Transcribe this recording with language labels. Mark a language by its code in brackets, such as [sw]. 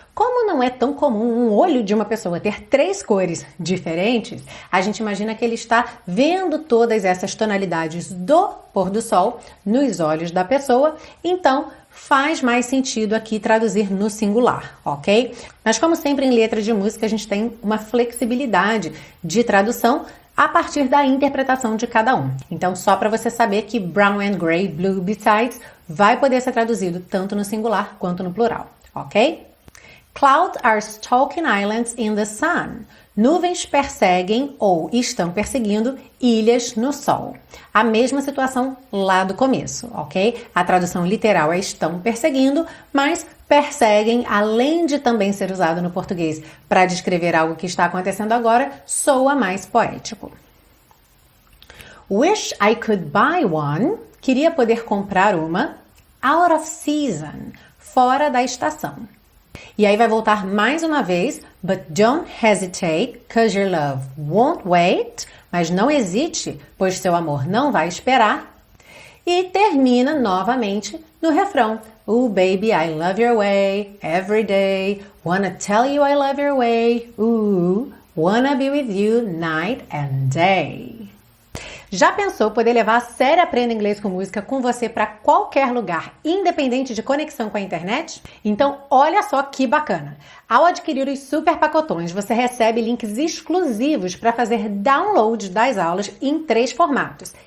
[pt] Como não é tão comum um olho de uma pessoa ter três cores diferentes, a gente imagina que ele está vendo todas essas tonalidades do pôr do sol nos olhos da pessoa, então faz mais sentido aqui traduzir no singular, ok? Mas como sempre em letra de música, a gente tem uma flexibilidade de tradução a partir da interpretação de cada um. Então, só para você saber que [en] brown and gray, blue besides, [pt] vai poder ser traduzido tanto no singular quanto no plural, ok? [en] Clouds are stalking islands in the sun. [pt] Nuvens perseguem ou estão perseguindo ilhas no sol. A mesma situação lá do começo, ok? A tradução literal é estão perseguindo, mas perseguem, além de também ser usado no português para descrever algo que está acontecendo agora, soa mais poético. [en] Wish I could buy one. [pt] Queria poder comprar uma. [en] Out of season. [pt] Fora da estação. E aí vai voltar mais uma vez, [en] but don't hesitate, cause your love won't wait, [pt] mas não hesite, pois seu amor não vai esperar. E termina novamente no refrão, [en] ooh baby, I love your way, every day, wanna tell you I love your way, ooh, wanna be with you night and day. [pt] Já pensou poder levar a série Aprenda Inglês com Música com você para qualquer lugar, independente de conexão com a internet? Então, olha só que bacana! Ao adquirir os super pacotões, você recebe links exclusivos para fazer download das aulas em três formatos.